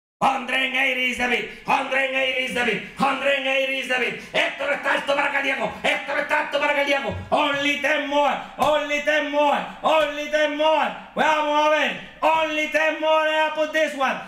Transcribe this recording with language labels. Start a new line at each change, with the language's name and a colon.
English: 180 is the beat, 180 is the beat, 180 is the beat.
Spanish: Esto no está alto para cardíaco, esto no está alto para cardíaco.
English: Only 10 more, only 10 more, only 10 more.
Spanish: Vamos a ver,
English: only 10 more, I put this one.